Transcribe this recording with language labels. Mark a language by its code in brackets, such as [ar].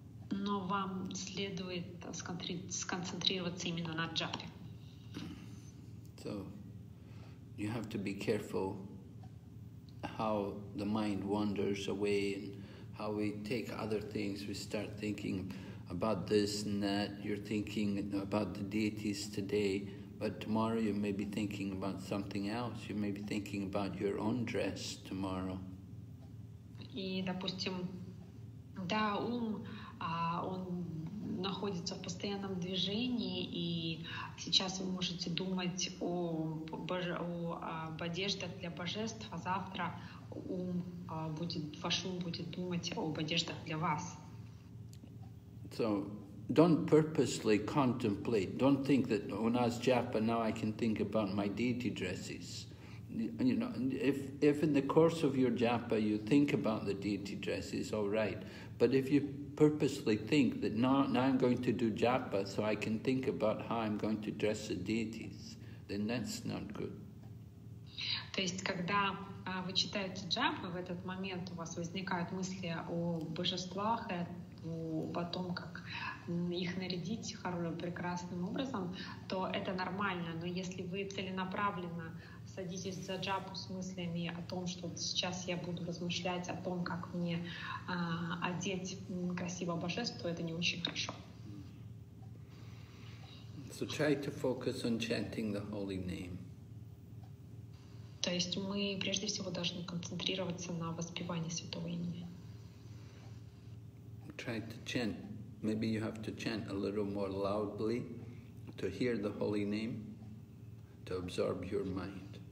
[ru] Но вам следует сконцентрироваться именно на джапе. [en] So you have to be careful how the mind wanders away, and how we take other things. We start thinking about this and that. You're thinking about the deities today, but tomorrow you may be thinking about something else. You may be thinking about your own dress tomorrow. [ru] И, допустим, да, ум, он находится в постоянном движении, и сейчас вы можете думать об одеждах для божеств, а завтра ваш ум будет думать об одеждах для вас. [en] So, don't purposely contemplate. Don't think that when I was japa, now I can think about my deity dresses. You know, if in the course of your japa you think about the deity dresses, all right. But if you purposely think that now I'm going to do japa so I can think about how I'm going to dress the deities, then that's not good. [ru] То есть, когда вы читаете джапу, в этот момент у вас возникают мысли о божествах, о том, как их нарядить хорошим, прекрасным образом, то это нормально. Но если вы целенаправленно садитесь за джапу с мыслями о том, что сейчас я буду размышлять о том, как мне одеть красиво божество, это не очень хорошо. [en] So try to focus on chanting the holy name. [ru] То есть мы прежде всего должны концентрироваться на воспевании святого имени. [en] Try to chant Maybe you have to chant a little more loudly to hear the holy name, to absorb your mind.